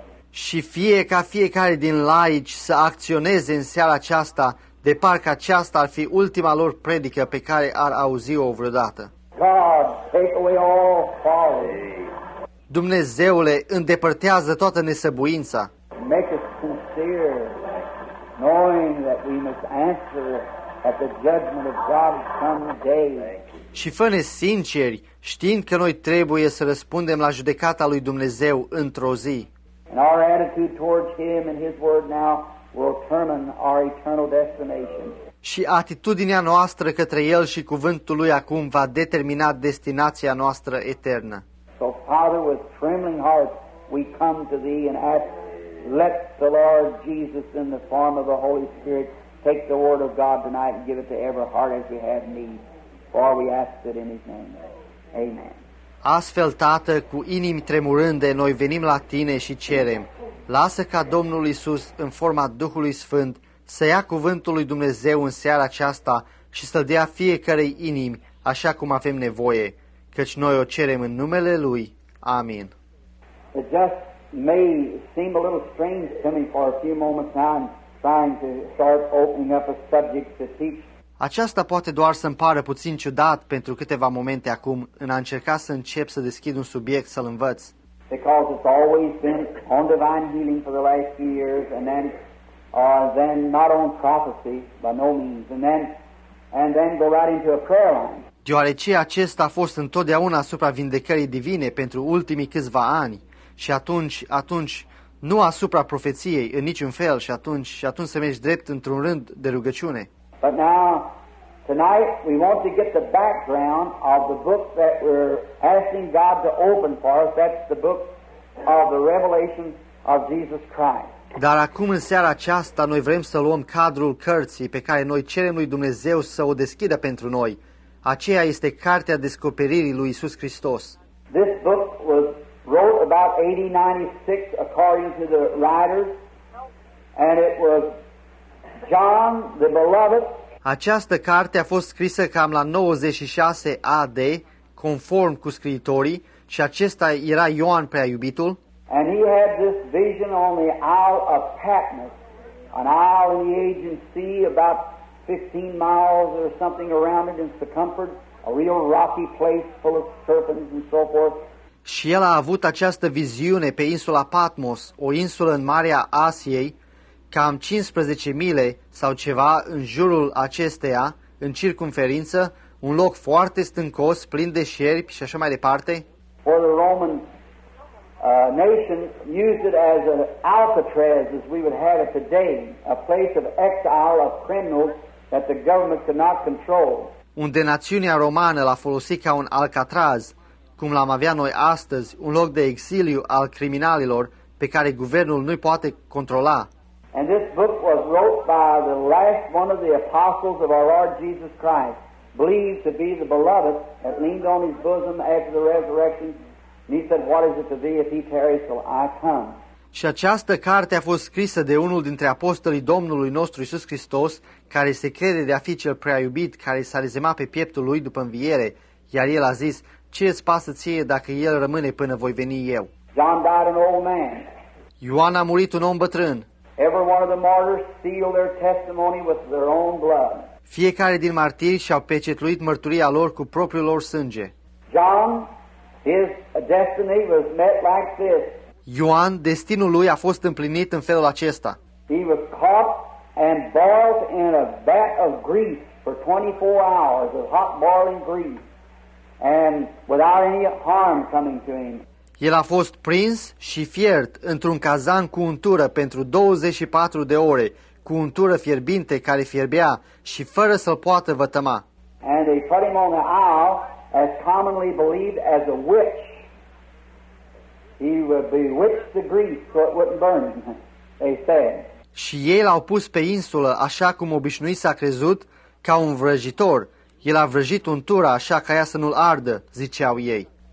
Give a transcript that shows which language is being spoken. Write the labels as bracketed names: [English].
[Romanian] Și fie ca fiecare din laici să acționeze în seara aceasta, de parcă aceasta ar fi ultima lor predică pe care ar auzi-o vreodată. [English] God, take away all folly. [Romanian] Dumnezeule, îndepărtează toată nesăbuința. [English] Make us sincere, knowing that we must answer at the judgment of God someday. [Romanian] Și fă-ne sinceri, știind că noi trebuie să răspundem la judecata lui Dumnezeu într-o zi. [English] And our attitude towards Him and His Word now will determine our eternal destination. [Romanian] Și atitudinea noastră către El și cuvântul Lui acum va determina destinația noastră eternă. [English] So, Father, with trembling hearts, we come to Thee and ask, let the Lord Jesus in the form of the Holy Spirit take the Word of God tonight and give it to every heart as we have need, for we ask it in His name. Amen. [Romanian] Astfel, Tată, cu inimi tremurânde, noi venim la Tine și cerem, lasă ca Domnul Iisus, în forma Duhului Sfânt, să ia cuvântul lui Dumnezeu în seara aceasta și să-L dea fiecărei inimi așa cum avem nevoie, căci noi o cerem în numele Lui. Amin. [English] It just may seem a little strange to me for a few moments now I'm trying to start opening up a subject to teach. [Romanian] Aceasta poate doar să-mi pară puțin ciudat pentru câteva momente acum în a încerca să încep să deschid un subiect să-L învăț. [English] Because it's always been on divine healing for the last few years, and then not on prophecy, by no means, and then go right into a prayer line. [Romanian] Deoarece acesta a fost întotdeauna asupra vindecării divine pentru ultimii câțiva ani, și atunci nu asupra profeției în niciun fel, și atunci să mergi drept într-un rând de rugăciune. [English] But now, tonight, we want to get the background of the book that we're asking God to open for us. That's the book of the Revelation of Jesus Christ. [Romanian] Dar acum, în seara aceasta, noi vrem să luăm cadrul cărții pe care noi cerem lui Dumnezeu să o deschidă pentru noi. Aceea este Cartea Descoperirii lui Iisus Hristos. [English] This book was wrote about 80-96, according to the writers, and it was John the Beloved. [Romanian] Această carte a fost scrisă cam la 96 AD, conform cu scriitorii, și acesta era Ioan prea iubitul. [English] And he had this vision on the Isle of Patmos, an isle in the Aegean Sea, about 15 miles or something around it in circumference, a real rocky place full of serpents and so forth. [Romanian] Și el a avut această viziune pe insula Patmos, o insulă în Marea Asiei, cam 15 mile sau ceva în jurul acesteia, în circumferință, un loc foarte stâncos, plin de șerpi și așa mai departe. [English] For the Roman nation used it as an Alcatraz, as we would have it today, a place of exile of criminals that the government could not control. [Romanian] Unde națiunea romană l-a folosit ca un Alcatraz, cum l-am avea noi astăzi, un loc de exiliu al criminalilor pe care guvernul nu-i poate controla. [English] And this book was wrote by the last one of the apostles of our Lord Jesus Christ, believed to be the beloved that leaned on his bosom after the resurrection. And he said, what is it to thee if he tarries till I come? [Romanian] Și această carte a fost scrisă de unul dintre apostolii Domnului nostru Iisus Hristos, care se crede de a fi cel prea iubit, care s-a rezemat pe pieptul lui după înviere, iar el a zis, ce îți pasă ție dacă el rămâne până voi veni eu? [English] John died an old man. [Romanian] Ioan a murit un om bătrân. [English] Every one of the martyrs sealed their testimony with their own blood. [Romanian] Fiecare din martiri și-au pecetluit mărturia lor cu propriul lor sânge. [English] John His destiny was met like this. [Romanian] Ioan, destinul lui a fost împlinit în felul acesta. [English] He was caught and boiled in a vat of grease for 24 hours of hot boiling grease and without any harm coming to him. [Romanian] El a fost prins și fiert într-un cazan cu untură pentru 24 de ore, cu untură fierbinte care fierbea și fără să-l poată vătăma. [English] And they put him on the isle as commonly believed as a witch. He would bewitch the grease so it wouldn't burn, they said. [Romanian] Și ei l-au pus pe insulă așa cum obișnuit s-a crezut, ca un vrăjitor. El a vrăjit untura așa ca ea să nu-l ardă, ziceau ei.